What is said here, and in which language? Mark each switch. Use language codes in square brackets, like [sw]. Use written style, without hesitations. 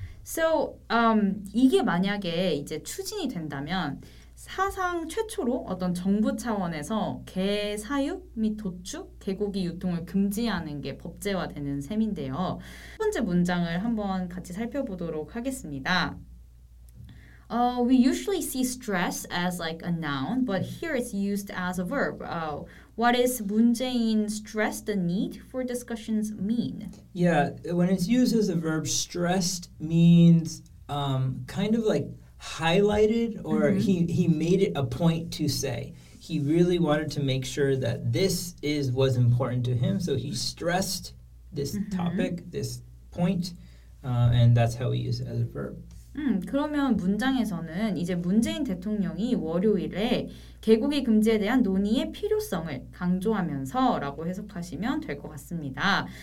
[ko] So, 이게 만약에 이제 추진이 된다면 사상 최초로 어떤 정부 차원에서 개 사육 및 도축, 개고기 유통을 금지하는 게 법제화되는 셈인데요. 첫 번째 문장을 한번 같이 살펴보도록 하겠습니다. [en] We usually see stress as like a noun, but here it's used as a verb. What is 문재인 stressed the need for discussions mean? Yeah, when it's used as a verb, stressed means kind of like highlighted, or mm-hmm. he made it a point to say. He really wanted to make sure that this was important to him, so he stressed this mm-hmm. topic, this point, and that's how we use it as a verb. [ko] 그러면 문장에서는 이제 문재인 대통령이 월요일에 개고기 금지에 대한 논의의 필요성을 강조하면서 라고 해석하시면 될 것 같습니다.